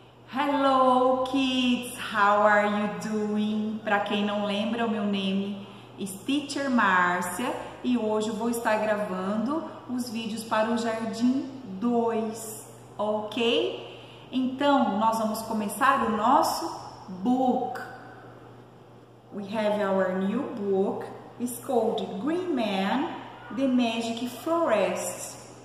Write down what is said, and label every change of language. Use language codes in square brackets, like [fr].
[en] Hello kids, how are you doing? [pt] Para quem não lembra, o meu nome é Teacher Márcia e hoje eu vou estar gravando os vídeos para o Jardim 2, ok? Então, nós vamos começar o nosso book. [en] We have our new book. It's called Green Man, The Magic Forest.